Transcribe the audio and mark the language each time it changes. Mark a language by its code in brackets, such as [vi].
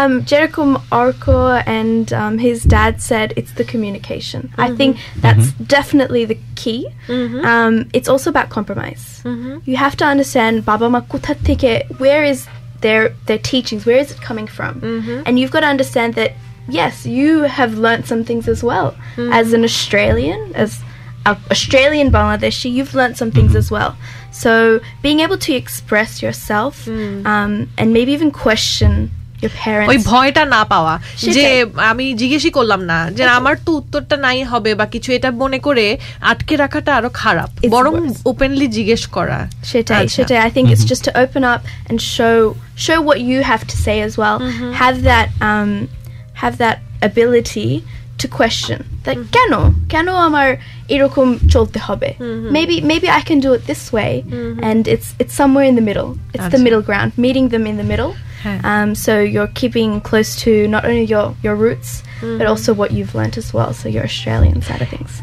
[en] যেরকম Arko and his dad said it's the communication I think that's definitely the key it's also about compromise you have to understand [bn] বাবা মা [en] where is their teachings, where is it coming from? Mm-hmm. And you've got to understand that, yes, you have learnt some things as well. Mm-hmm. As an Australian, as an Australian Bangladeshi, you've learnt some things as well. So being able to express yourself and maybe even question your parents. [bn] ওই ভয়টা না পাওয়া যে আমি জিজ্ঞেসই করলাম না যে আমার তো উত্তরটা নাই হবে বা কিছু এটা মনে করে আটকে রাখাটা আরো খারাপ বরং ওপেনলি জিজ্ঞেস করা [en] সেটাই I think it's just to open up and show what you have to say as well have that ability to question that [bn] কেন আমার এরকম চলতে হবে [en] maybe I can do it this way and it's somewhere in the middle it's the middle ground meeting them in the middle So you're keeping close to not only your roots but also what you've learnt as well so your Australian side of things